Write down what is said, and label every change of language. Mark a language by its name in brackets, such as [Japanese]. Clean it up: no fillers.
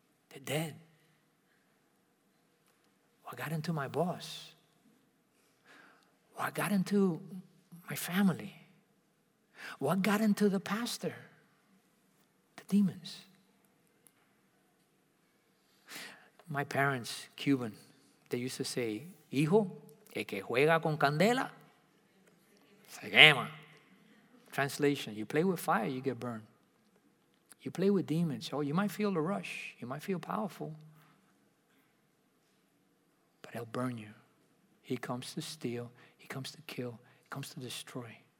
[English] They're dead. What got into my boss? What got into my family? What got into the pastor? The demons. My parents, Cuban, they used to say, [Spanish] hijo, el que juega con candela, se quema. [English] Translation, you play with fire, you get burned. You play with demons. Oh, you might feel the rush. You might feel powerful. But he'll burn you. He comes to steal. He comes to kill. He comes to destroy.